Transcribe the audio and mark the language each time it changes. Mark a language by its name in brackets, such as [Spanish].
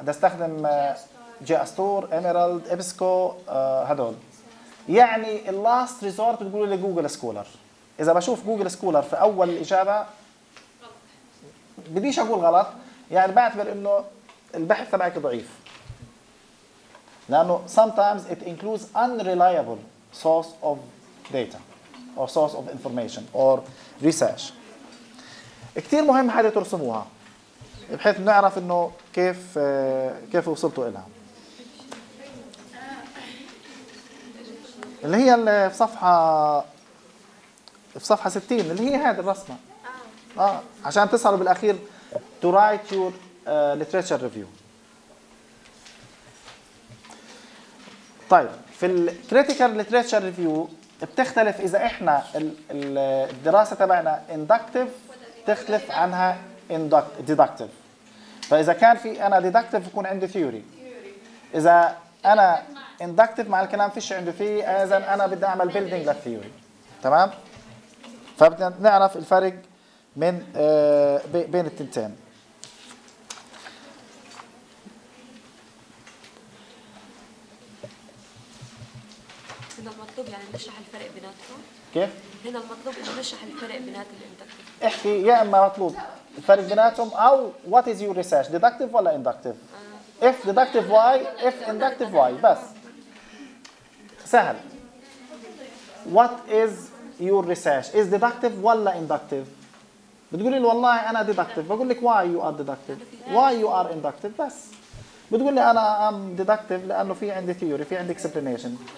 [Arabic] بدي استخدم جي استور، ايميرالد، ابسكو، هذول. يعني اللاست ريزورت بتقولوا لي جوجل سكولر. اذا بشوف جوجل سكولر في اول الاجابه، بديش اقول غلط، يعني بعتبر انه البحث تبعك ضعيف. [English] لانه sometimes it includes unreliable source of data or source of information or research. [Arabic] كثير مهم هذه ترسموها بحيث نعرف انه كيف وصلتوا لها. اللي هي اللي في صفحه 60 اللي هي هذه الرسمه. عشان تصلوا بالاخير [English] to write your literature review. [Arabic] طيب، في الكريتيكال ليتريتشر ريفيو بتختلف اذا احنا الدراسه تبعنا اندكتيف تختلف عنها ديدكتيف. فاذا كان في انا ديدكتيف بكون عندي ثيوري، اذا انا اندكتيف مع الكلام فيش عندي فيه، اذا انا بدي اعمل بيلدينج للثيوري. تمام؟ فبدنا نعرف الفرق من بين التنتين. نشرح الفرق بيناتهم. كيف؟ هنا المطلوب نشرح الفرق بينات الاندكتيف. احكي يا اما مطلوب الفرق بيناتهم او [English] what is your research deductive [Arabic] ولا [English] inductive. if deductive why if inductive why. [Arabic] بس سهل. [English] What is your research? Is deductive [Arabic] ولا [English] inductive؟ [Arabic] بتقولي لي والله أنا [English] deductive. [Arabic] بقول لك [English] why you are deductive. Why you are inductive بس. [Arabic] بتقولي أنا [English] I'm deductive [Arabic] لأنه في عندي theory، في عندي explanation.